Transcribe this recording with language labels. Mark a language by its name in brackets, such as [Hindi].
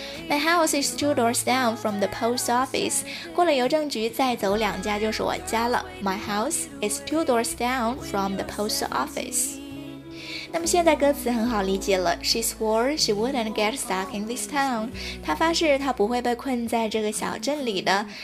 [English] My house is two doors down from the post office. [Chinese] 过了邮政局再走两家就是我家了。 [English] My house is two doors down from the post office. [Chinese] 那么现在歌词很好理解了。 [English] She swore she wouldn't get stuck in this town. [Chinese] 她发誓她不会被困在这个小镇里的。